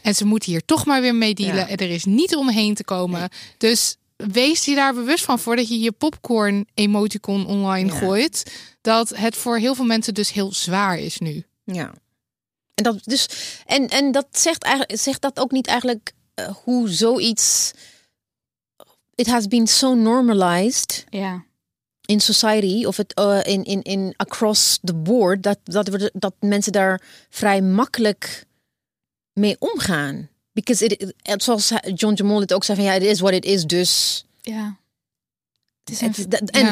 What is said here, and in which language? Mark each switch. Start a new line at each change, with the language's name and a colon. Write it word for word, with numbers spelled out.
Dutch: En ze moeten hier toch maar weer mee dealen. Ja. En er is niet omheen te komen. Nee. Dus wees je daar bewust van voordat je je popcorn emoticon online ja. gooit. Dat het voor heel veel mensen dus heel zwaar is nu. Ja. En dat, dus, en, en dat zegt, eigenlijk, zegt dat ook niet eigenlijk uh, hoe zoiets...
English: It has been so normalized.
Dutch: Ja.
English: in society
Dutch: of het uh, in in in
English: across the board
Dutch: dat dat we dat mensen daar vrij makkelijk mee omgaan,
English: because it, it
Dutch: zoals John Jamal het ook zei van ja,
English: it is what it is,
Dutch: dus ja het is het, dat, en ja.